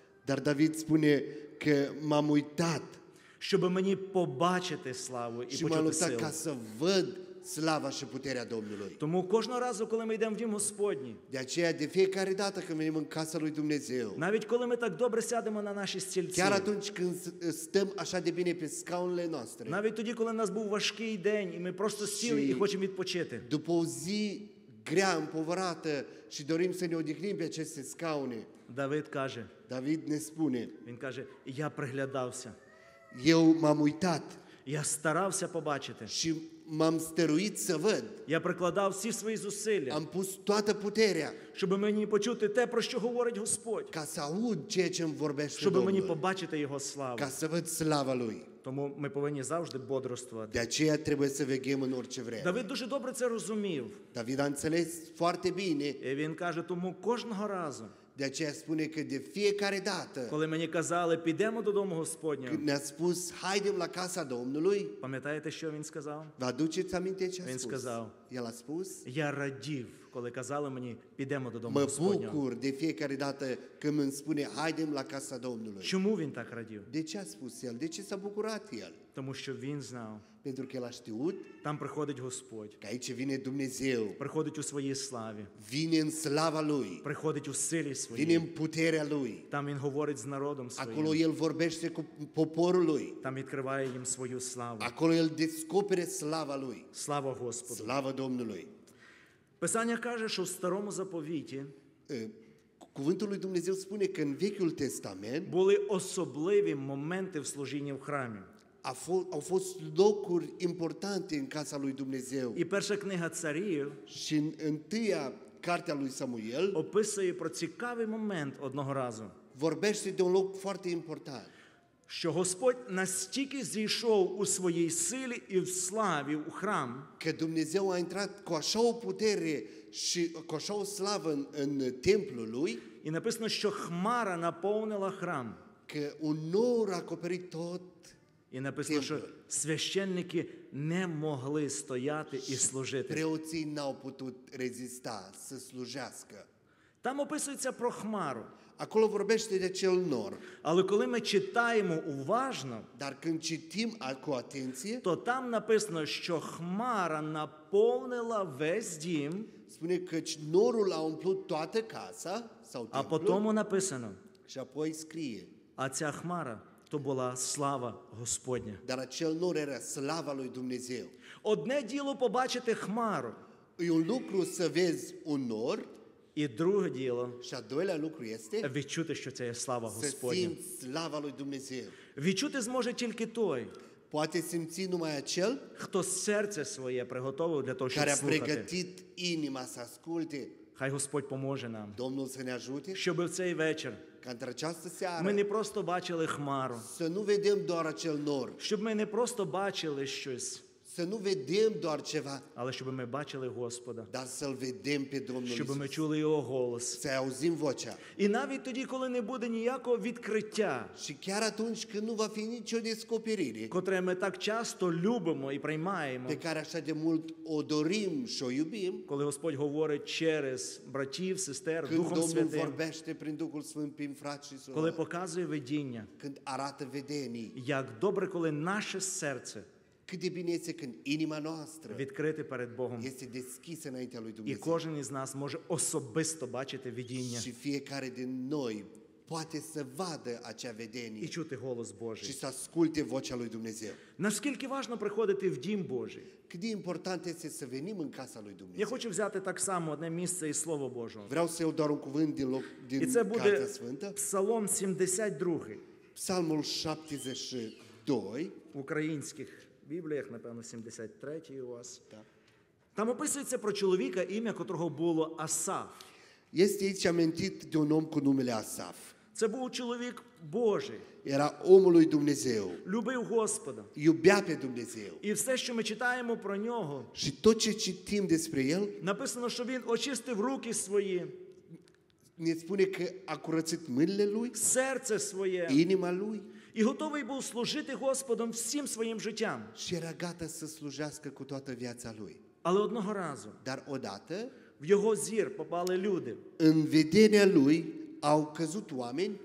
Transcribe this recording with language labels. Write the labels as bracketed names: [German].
[Romanian] Dar David spune că m-am uitat. [Ukrainian] Щоб мені побачити славу і почути силу. [Romanian] Și m-am uitat ca să văd slava și puterea Domnului. [Ukrainian] Тому кожного разу, коли ми йдемо в дім Господній, [Romanian] de aceea, de fiecare dată când venim în casa lui Dumnezeu, [Ukrainian] навіть коли ми так добре сядемо на наші стільці, [Romanian] chiar atunci când stăm așa de bine pe scaunele noastre, [Ukrainian] навіть тоді, коли у нас був важкий день, і ми просто сіли і хочемо відпочити, [Romanian] după o zi grea, împovărată, și dorim să ne odihnim pe aceste scaune, [Ukrainian] David каже, [Romanian] David ne spune, [Ukrainian] він каже, я приглядався, [Romanian] eu m-am uitat, [Ukrainian] я старався побачити, [Romanian] și m-am stăruit să văd. [Ukrainian] Я прикладав всі свої зусилля. [Romanian] Am pus toată puterea. [Ukrainian] Щоб мені почути те, про що говорить Господь. [Romanian] Ca să aud ceea ce îmi vorbește Domnul. [Ukrainian] Щоб мені побачити Його славу. [Romanian] Ca să văd slava Lui. [Ukrainian] Тому ми повинні завжди бодрствувати. [Romanian] De aceea trebuie să veghem în orice vreme. [Ukrainian] David дуже добре це розумів. [Romanian] David a înțeles foarte bine. [Ukrainian] І він каже, тому кожного разу. [Romanian] De aceea spune că de fiecare dată. [Ukrainian] Коли мені казали, підемо до дому Господнього. [Romanian] Ne-a spus, haidem la casa Domnului. [Ukrainian] Пам'ятаєте, що він сказав? [Romanian] Vă aduceți aminte ce a spus? [Ukrainian] Він сказав. [Romanian] El a spus. [Ukrainian] Я радів, коли казали мені, підемо до дому Господнього. [Romanian] Mă bucur de fiecare dată când îmi spune, haidem la casa Domnului. [Ukrainian] Чому він так радів? [Romanian] De ce a spus el? De ce s-a bucurat el? [Ukrainian] Тому що він знав. [Romanian] Pentru că el a știut. [Ukrainian] Там приходить Господь. [Romanian] Că aici vine Dumnezeu. [Ukrainian] Приходить у своїй славі. [Romanian] Vine în slava Lui. [Ukrainian] Приходить у силі своїй. [Romanian] Vine în puterea Lui. [Ukrainian] Там він говорить з народом своїм. [Romanian] Acolo el vorbește cu poporul Lui. [Ukrainian] Там відкриває їм свою славу. [Romanian] Acolo el descoperă slava Lui. [Ukrainian] Слава Господу. [Romanian] Слава Domnului. [Ukrainian] Писання каже, що в старому заповіті [Romanian] Cuvântul lui Dumnezeu spune că în Vechiul Testament [Ukrainian] були особливі моменти в служінні в храмі. [Romanian] Au fost locuri importante în casa lui Dumnezeu. [Ukrainian] І перша книга царів [Romanian] și în întâia cartea lui Samuel [Ukrainian] описує про цікавий момент одного разу. [Romanian] Vorbește de un loc foarte important. [Ukrainian] Що Господь настільки зійшов у своїй силі і в славі у храм, [Romanian] că Dumnezeu a intrat cu așa o putere și cu așa o slavă în templul lui, [Ukrainian] і написано, що хмара наповнила храм, [Romanian] că un nor a acoperit tot [Ukrainian] І написано, що священники не могли стояти і служити. [Romanian] Преоці не putut rezista să slujească. [Ukrainian] Там описується про хмару. [Romanian] Acolo vorbește de cel nor. [Ukrainian] Але коли ми читаємо уважно, [Romanian] dar când citim cu atenție, [Ukrainian] то там написано, що хмара наповнила весь дім. [Romanian] Spune că norul a umplut toată casa sau templul. [Ukrainian] А потім написано. [Romanian] Și apoi scrie. [Ukrainian] А ця хмара то була слава Господня. [Romanian] Dar acel nor era slava lui Dumnezeu. [Ukrainian] Одне діло побачити хмару. [Romanian] І un lucru să vezi un nor. [Ukrainian] І друге діло. [Romanian] Și a doilea lucru este. [Ukrainian] Відчути, що це є слава Господня. [Romanian] Să simți slava lui Dumnezeu. [Ukrainian] Відчути зможе тільки той. [Romanian] Poate simți numai acel. [Ukrainian] Хто серце своє приготував для того, щоб слухати. [Romanian] Care a pregătit inima să asculte. [Ukrainian] Хай Господь поможе нам. [Romanian] Domnul să ne ajute. [Ukrainian] Щоб в цей вечір. Ми не просто бачили хмару. [Romanian] Să nu vedem doar acel nor. [Ukrainian] Щоб ми не просто бачили щось. [Romanian] Să nu vedem doar ceva. [Ukrainian] Але щоб ми бачили Господа. [Romanian] Dar să-l vedem pe Domnul Iisus. [Ukrainian] Щоб ми чули Його голос. [Romanian] Să auzim vocea. [Ukrainian] І навіть тоді, коли не буде ніякого відкриття. [Romanian] Și chiar atunci când nu va fi nicio descoperire. [Ukrainian] Котре ми так часто любимо і приймаємо. [Romanian] Pe care așa de mult o dorim și o iubim. [Ukrainian] Коли Господь говорить через братів, сестер, [Romanian] Când [Ukrainian] Духом Святим. [Romanian] Când Domnul vorbește prin Duhul Sfânt, prin frați și surori. [Ukrainian] Коли показує видіння. [Romanian] Când arată vedenii. [Ukrainian] Як добре, коли наше серце. [Romanian] Cât de bine este când inima noastră [Ukrainian] відкрите перед Богом [Romanian] este deschisă înaintea lui Dumnezeu. [Ukrainian] І кожен із нас може особисто бачити видіння. [Romanian] Și fiecare din noi poate să vadă acea vedenie. [Ukrainian] І чути голос Божий. [Romanian] Și să asculte vocea lui Dumnezeu. [Ukrainian] Наскільки важливо приходити в дім Божий? [Romanian] Cât de important este să venim în casa lui Dumnezeu. [Ukrainian] Я хочу взяти так само одне місце із Слова Божого. [Romanian] Vreau să iau doar un cuvânt din loc din Cartea Sfântă. [Ukrainian] І це буде Псалом 72. [Romanian] Psalmul 72. [Ukrainian] Українських Біблія, напевно, 73-й у вас. Там описується про чоловіка, ім'я котрого було Асаф. [Romanian] Este aici amintit de un om cu numele Asaf. [Ukrainian] Це був чоловік Божий. [Romanian] Era omul lui Dumnezeu. [Ukrainian] Любив Господа. [Romanian] Iubea pe Dumnezeu. [Ukrainian] І все, що ми читаємо про нього. [Romanian] Și tot ce citim despre el. [Ukrainian] Написано, що він очистив руки свої. [Romanian] Ne spune că a curățit mâinile lui. [Ukrainian] Серце своє. [Romanian] Inima lui. [Ukrainian] І готовий був служити Господом всім своїм життям. [Romanian] Și era gata să slujească cu toată viața lui. [Ukrainian] Але одного разу. [Romanian] Dar odată. [Ukrainian] В його зір попали люди. [Romanian] În vederea lui au căzut oameni.